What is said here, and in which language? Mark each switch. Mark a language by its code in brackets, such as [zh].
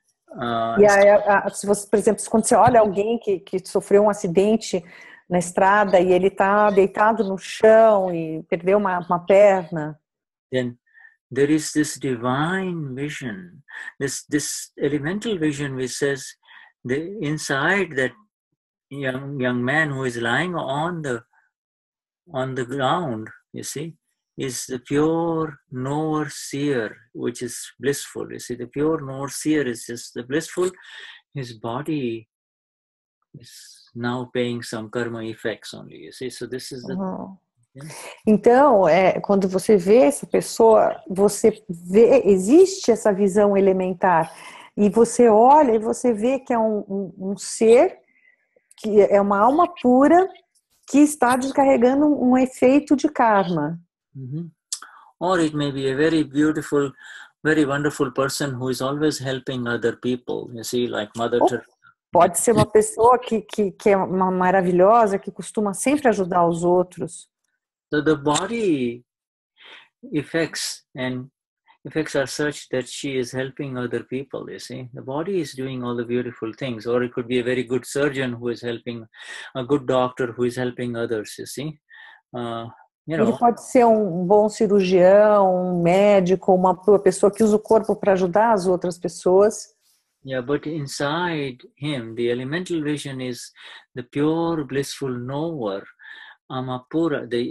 [pt] Se quando você olha alguém que sofreu um acidente na estrada e ele está deitado no chão e perdeu uma perna, [en] then there is this divine vision, this elemental vision, which says the inside that young man who is lying on the ground, you see, is the pure knower seer, which is blissful. You see, the pure knower seer is just the blissful. His body is now paying some karma effects only, you see. So this is the... [pt] Então, quando você vê essa pessoa, você vê, existe essa visão elementar. E você olha e você vê que é um ser, que é uma alma pura, que está descarregando um efeito de karma. Mm-hmm. [en] Or it may be a very beautiful, very wonderful person who is always helping other people. You see, like Mother Teresa. [pt] Pode ser uma pessoa que é uma maravilhosa, que costuma sempre ajudar os outros. [en] So the body effects are such that she is helping other people. You see, the body is doing all the beautiful things. Or it could be a very good surgeon who is helping, a good doctor who is helping others. You see. [pt] Ele pode ser um bom cirurgião, um médico, uma pessoa que usa o corpo para ajudar as outras pessoas. [en] Yeah, but inside him, the elemental vision is the pure, blissful knower, Amapura.